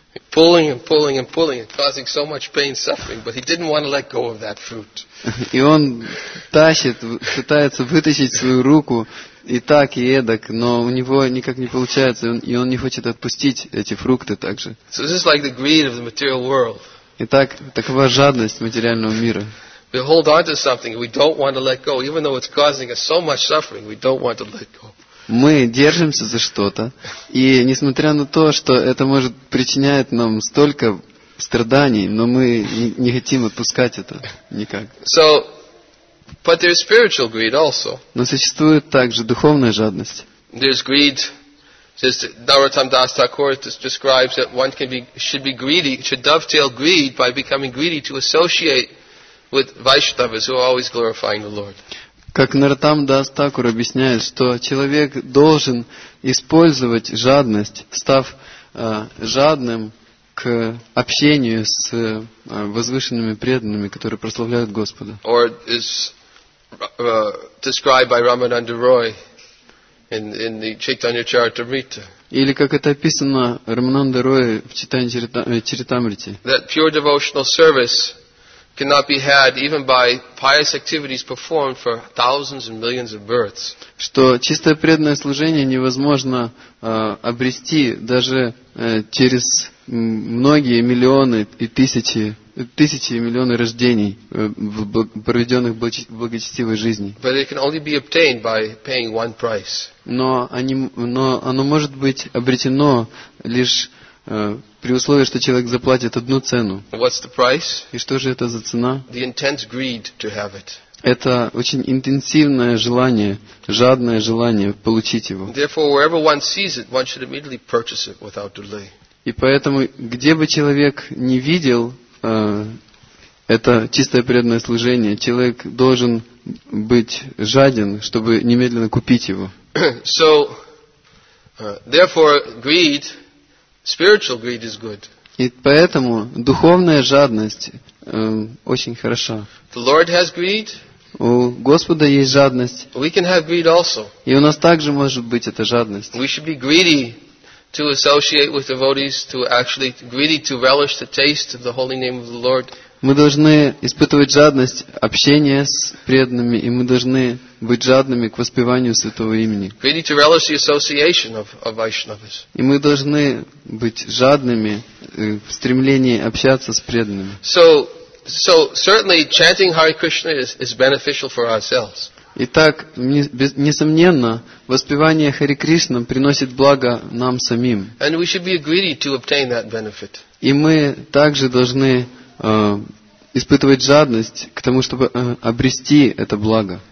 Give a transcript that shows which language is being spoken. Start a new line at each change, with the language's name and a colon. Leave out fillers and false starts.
English: pulling and pulling and pulling and causing so much pain and suffering, but he didn't want to let go of that fruit.
Russian: И он тащит, пытается вытащить свою руку и так, и эдак, но у него никак не получается, и он не хочет отпустить эти фрукты также.
English: So this is like the greed of the material world.
Russian: Итак, такова жадность материального мира.
English: We hold on to something we don't want to let go, even though it's causing us so much suffering, we don't want to let go.
Russian: Мы держимся за что-то, и несмотря на то, что это может причинять нам столько страданий, но мы не хотим отпускать это никак.
English: So, but there's spiritual greed also.
Russian: Но существует также духовная жадность.
English: There's greed. Just Narottam Das Thakur describes that one can be, should be greedy, should dovetail greed by becoming greedy to associate with Vaishnavas who are always glorifying the Lord.
Russian: Как Нартам Дас Такур объясняет, что человек должен использовать жадность, став жадным к общению с возвышенными преданными, которые прославляют Господа.
English: Or is described by Ramananda Roy in the Chaitanya Charitamrita.
Russian: Или как это описано Рамананда Рой в Читании Чаритамрите.
English: That pure devotional service cannot be had even by pious activities performed for thousands and millions of births.
Russian: Что чистое преданное служение невозможно обрести даже через многие миллионы и тысячи и миллионы рождений, проведенных в благочестивой жизни.
English: But it can only be obtained by paying one price.
Russian: Но оно может быть обретено лишь при условии, что человек заплатит одну цену.
English: What's the price?
Russian: И что же это за цена?
English: The intense greed to have it.
Russian: Это очень интенсивное желание, жадное желание получить его.
English: Therefore, wherever one sees it, one should immediately purchase it without delay.
Russian: И поэтому, где бы человек ни видел это чистое преданное служение, человек должен быть жаден, чтобы немедленно купить его.
English: So, therefore, greed, spiritual greed is good.
Russian: И поэтому духовная жадность очень хороша.
English: The Lord has greed.
Russian: У Господа есть жадность.
English: We can have greed also.
Russian: И у нас также может быть эта жадность.
English: We should be greedy to associate with devotees, to actually greedy to relish the taste of the holy name of the Lord.
Russian: Мы должны испытывать жадность общения с преданными, и мы должны быть жадными к воспеванию Святого Имени.
English: Greedy to relish the association of Vaishnavas.
Russian: И мы должны быть жадными в стремлении общаться с преданными.
English: So certainly chanting Hare Krishna is beneficial for ourselves.
Russian: Итак, несомненно, воспевание Хари Кришна приносит благо нам самим.
English: And we should be greedy to obtain that benefit.
Russian: И мы также должны испытывать жадность к тому, чтобы обрести это благо.